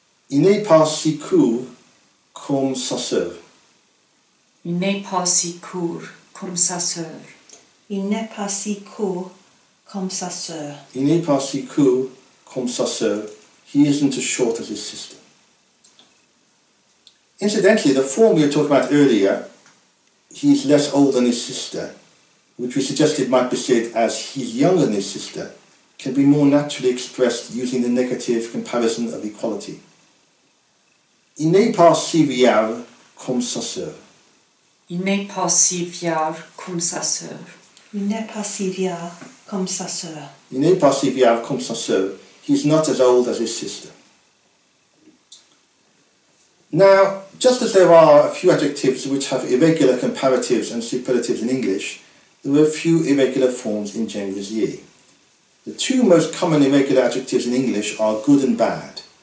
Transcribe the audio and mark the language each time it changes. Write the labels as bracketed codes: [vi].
[nrf] Il n'est pas si court comme sa sœur. Il n'est pas si court comme sa sœur. Il n'est pas si court comme sa sœur. Il n'est pas si court comme sa sœur. [en] He isn't as short as his sister. Incidentally, the form we were talking about earlier, he's less old than his sister, which we suggested might be said as he's younger than his sister, can be more naturally expressed using the negative comparison of equality. [nrf] Il n'est pas si vieux comme sa sœur. Il n'est pas si vieux comme sa sœur. Il n'est pas si vieux comme sa sœur. Il n'est pas si vieux comme sa sœur. [en] He's not as old as his sister. Now, just as there are a few adjectives which have irregular comparatives and superlatives in English, there were a few irregular forms in Guernsey. The two most common irregular adjectives in English are good and bad.